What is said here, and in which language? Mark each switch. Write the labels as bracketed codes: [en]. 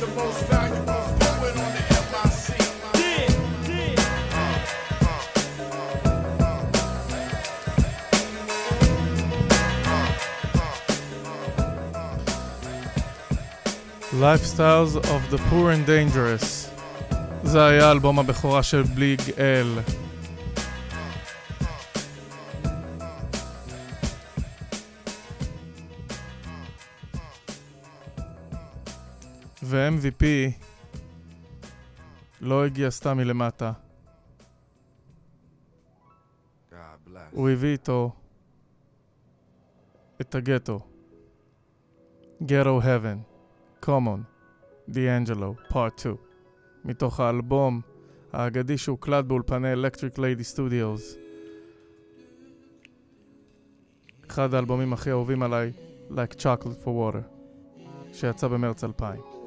[en] The most valuable poet on the MIC. Lifestyles of the Poor and Dangerous. [he] זה היה אלבום הבכורה של בליג אל. ו-MVP לא הגיע סתם מלמטה. הוא הביא איתו את הגטו. Ghetto Heaven. Come on, D'Angelo, Part 2, מתוך האלבום האגדי שהוקלט באולפני Electric Lady Studios. אחד האלבומים הכי אהובים עליי, Like Chocolate for Water, שיצא במרץ 2000.